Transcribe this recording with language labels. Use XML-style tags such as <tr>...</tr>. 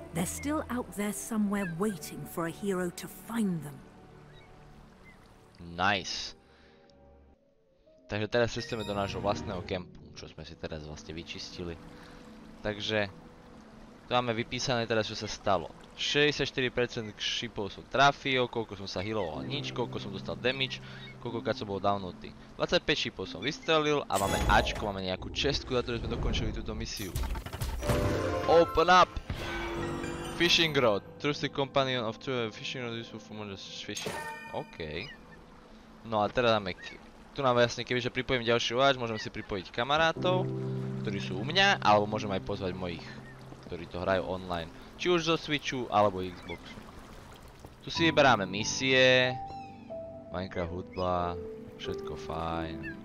<en>They're still out there somewhere waiting for a hero to find them. Nice.</en> <sk>Takže teraz cestujeme do nášho vlastného kempu, čo sme si teraz vlastne vyčistili. Takže tu máme vypísané teraz, čo sa stalo. 64% šipov som trafil, koľko som sa healoval, nič, koľko som dostal damage, koľkokrát som bol downnutý. 25 šipov som vystrelil a máme Ačko, máme nejakú čestku za to, že sme dokončili túto misiu.</sk> <en>Open up! Fishing rod, trusty companion of two fishing rod useful for modern fishing. OK.</en> <sk>No a teraz máme, tu nám jasne, kebyže pripojím ďalší váč, môžem si pripojiť kamarátov, ktorí sú u mňa, alebo môžem aj pozvať mojich, ktorí to hrajú online. Či už zo Switchu, alebo Xboxu. Tu si vyberáme misie, Minecraft hudba, všetko fajn.</sk>